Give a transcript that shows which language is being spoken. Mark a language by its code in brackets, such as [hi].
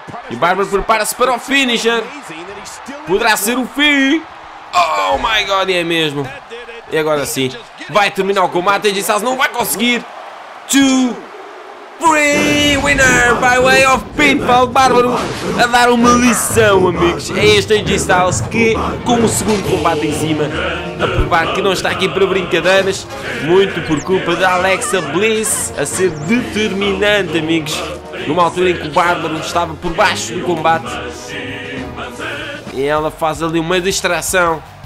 [pt] E Barbarian prepara-se para o finisher. Poderá ser o fim. [en] Oh my god, [pt] é mesmo. E agora sim, vai terminar o combate. AJ Styles não vai conseguir. [en] 2-3 winner by way of pinfall. [pt] Bárbaro a dar uma lição, amigos. É este AJ Styles que, com o segundo combate em cima, a provar que não está aqui para brincadeiras. Muito por culpa da Alexa Bliss a ser determinante, amigos. Numa altura em que o Bárbaro estava por baixo do combate. E ela faz ali uma distração.